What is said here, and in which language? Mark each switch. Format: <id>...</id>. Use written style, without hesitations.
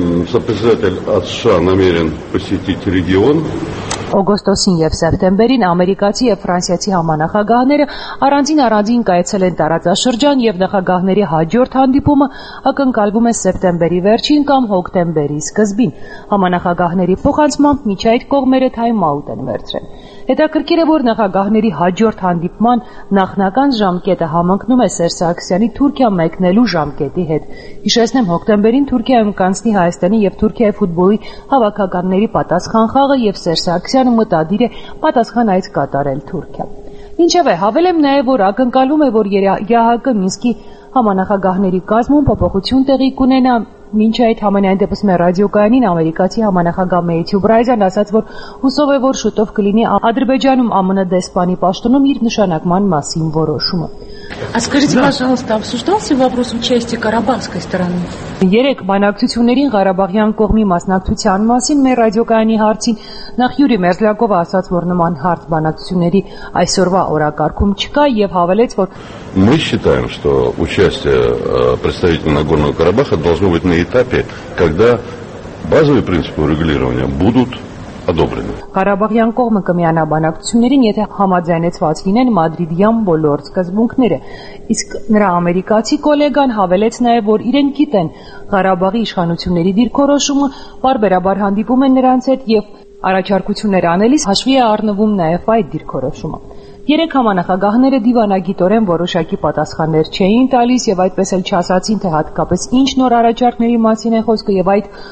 <ru>Сопредседатель США намерен посетить регион.</ru> <hy>Օգոստոսին և սեպտեմբերին ամերիկացի և ֆրանսիացի համանախագահները առանձին-առանձին կայացել են տարածաշրջան և նախագահների հաջորդ հանդիպումը ակնկալվում է սեպտեմբերի վերջին կամ հոկտեմբերի սկզբին։ Համանախագահների փոխանցմամբ միջայտ կողմերը թայմաուտ են վերցրել։ Հետաքրքիր է, որ նախագահների հաջորդ հանդիպման նախնական ժամկետը համընկնում է Սերժ Սարգսյանի Թուրքիա մեկնելու ժամկետի հետ։ Հիշեցնեմ, հոկտեմբերին Թուրքիայում կանցնի Հայաստանի և Թուրքիայի ֆուտբոլի հավաքականների պատասխան խաղը և Սերժ Սարգսյանը մտադիր է պատասխան այդ կատարել Թուրքիա։ Ինչևէ, հավելեմ նաև, որ ակնկալում է, որ ԵԱՀԿ-ը Մինսկի համանախագահների կազմում փոփոխություն տեղի կունենա։ Մինչ այդ համենայն դեպս մեր ռադիոկայանին ամերիկացի համանախագահ Մեյթյու Բրայզան ասաց, որ հուսով է, որ շուտով կլինի Ադրբեջանում ԱՄՆ դեսպանի պաշտոնում իր նշանակման մասին որոշումը։</hy> <ru>Скажите, пожалуйста, обсуждался вопрос участия карабахской стороны?</ru> <hy>Երեք բանակցություններին Ղարաբաղյան կողմի մասնակցության մասին մեր ռադիոկայանի հարցին նախ Յուրի Մերզլյակովը ասաց, որ նման հարց բանակցությունների այսօրվա օրակարգում չկա եւ հավելեց, որ</hy> <ru>Мы считаем, что участие представителей Нагорного Карабаха должно быть на этапе, когда базовые принципы урегулирования будут одобрены.</ru> <hy>Ղարաբաղյան կողմը կմիանա բանակցություններին, եթե համաձայնեցված լինեն Մադրիդյան բոլոր սկզբունքները։ Իսկ նրա ամերիկացի գոլեգան հավելեց նաև, որ իրեն գիտեն Ղարաբաղի իշխանությունների դիրքորոշումը, պարբերաբար հանդիպում են նրանց հետ եւ առաջարկություններ անելիս հաշվի է առնվում նաեւ այդ դիրքորոշումը։ Երեք համանախագահները դիվանագիտորեն որոշակի պատասխաններ չէին տալիս եւ այդպես էլ չասացին, թե հատկապես ինչ նոր առաջարկների մասին է խոսքը եւ այդ</hy>